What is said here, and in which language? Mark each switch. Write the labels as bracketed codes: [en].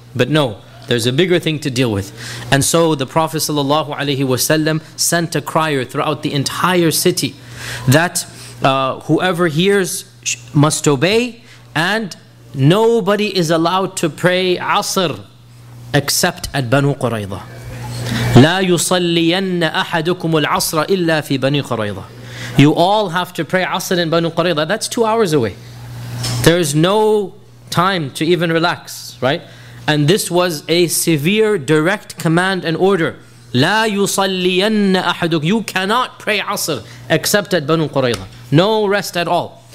[en] But no, there's a bigger thing to deal with. And so the Prophet sallallahu alaihi wasallam sent a crier throughout the entire city that whoever hears must obey, and nobody is allowed to pray Asr except at Banu Qurayza. [ar] لا يصلين أحدكم العصر إلا في بني قريظة. [en] You all have to pray Asr in Banu Qurayza. That's 2 hours away. There's no time to even relax, right? And this was a severe, direct command and order. [ar] لا يصلين أحدكم. [en] You cannot pray Asr except at Banu Qurayza. No rest at all.